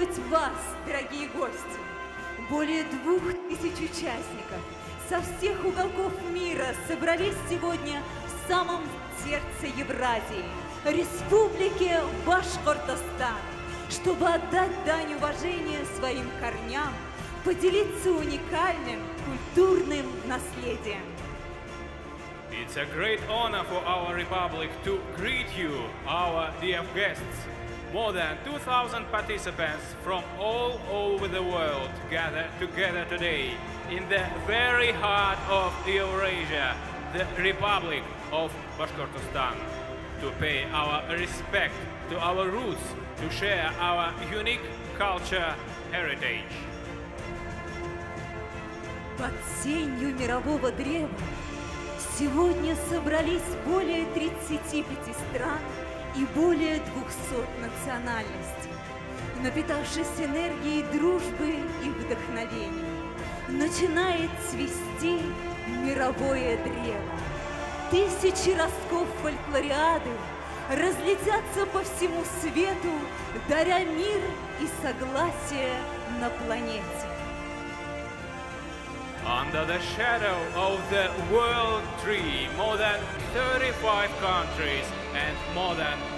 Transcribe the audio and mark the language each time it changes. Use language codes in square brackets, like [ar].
[ru] Вас, дорогие гости, более 2000 участников со всех уголков мира собрались сегодня в самом сердце Евразии, Республике Башкортостан, чтобы отдать дань уважения своим корням, поделиться уникальным культурным наследием. [en] It's a great honor for our republic to greet you, our dear guests. More than 2,000 participants from all over the world gathered together today in the very heart of Eurasia, the Republic of Bashkortostan, to pay our respect to our roots, to share our unique culture heritage. [ru] Под сенью мирового древа сегодня собрались более 35 стран и более 200 национальностей. Напитавшись энергией дружбы и вдохновения, начинает цвести мировое древо. Тысячи ростков фольклориады разлетятся по всему свету, даря мир и согласие на планете. [en] Under the shadow of the world tree, more than 35 countries and more than